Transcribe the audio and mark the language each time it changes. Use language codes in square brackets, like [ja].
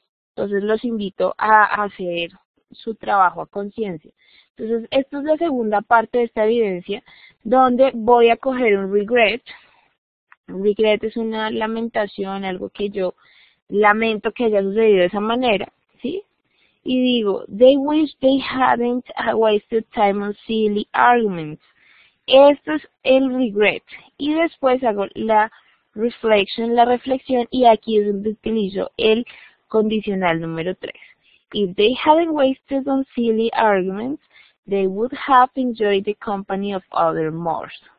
[es] Entonces los invito a hacer su trabajo a conciencia. Entonces, esta es la segunda parte de esta evidencia, donde voy a coger un regret. Un regret es una lamentación, algo que yo lamento que haya sucedido de esa manera, ¿sí? Y digo, [en] they wish they hadn't wasted time on silly arguments. [es] Esto es el regret. Y después hago la reflection, la reflexión, y aquí es donde utilizo el condicional número 3. [en] If they hadn't wasted on silly arguments, they would have enjoyed the company of others more.